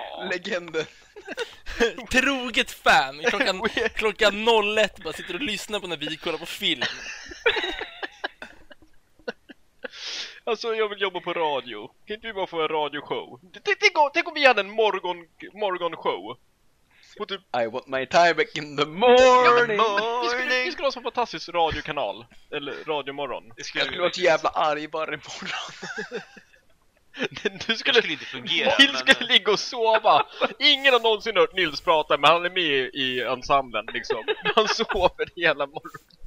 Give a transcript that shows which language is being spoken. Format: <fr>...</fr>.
<sv>Legenden. Troget fan. Klockan 01 bara sitter och lyssnar på när vi kollar på film. Alltså, jag vill jobba på radio. Kan inte vi bara få en radioshow? Tänk om vi hade en morgonshow.</sv> <en>I want my time back in the morning.</en> <sv>Vi skulle ha en fantastisk radiokanal. Eller radiomorgon. Jag skulle vara så jävla arg bara i morgon. Du skulle inte fungera. Nils men... skulle ligga och sova. Ingen har någonsin hört Nils prata, men han är med i ensemblen liksom. Han sover hela morgonen.</sv>